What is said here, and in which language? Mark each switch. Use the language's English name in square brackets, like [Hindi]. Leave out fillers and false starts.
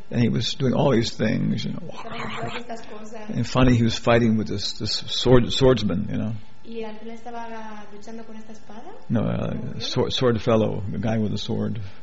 [English] And he was doing all these things, you know. And finally he was fighting with this swordsman, you know. [Spanish] ¿Y al final estaba luchando con esta espada? [English] No, sword fellow, a guy with a sword.